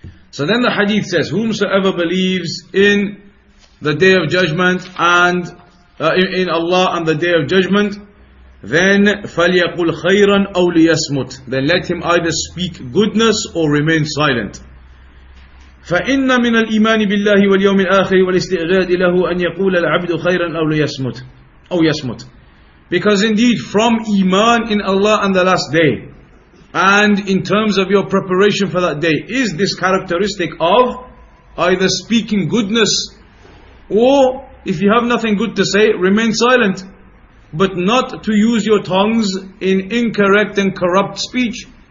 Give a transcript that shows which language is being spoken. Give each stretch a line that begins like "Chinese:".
English: So then the hadith says, whomsoever believes in the Day of Judgment and in Allah and the Day of Judgment, then
Arabic: فَلْيَقُلْ خَيْرًا أَوْ لِيَسْمُتْ.
English: Then let him either speak goodness or remain silent.
Arabic: فَإِنَّ مِنَ الْإِيمَانِ بِاللَّهِ وَالْيَوْمِ الْآخِرِ وَالْإِسْتِعْجَادِ لَهُ أَنْ يَقُولَ الْعَبْدُ خَيْرًا أَوْ لِيَسْمُتْ أَوْ يَسْمُتْ.
English: Because indeed from Iman in Allah and the Last Day, And in terms of your preparation for that day, is this characteristic of either speaking goodness, or if you have nothing good to say, remain silent, but not to use your tongues in incorrect and corrupt speech.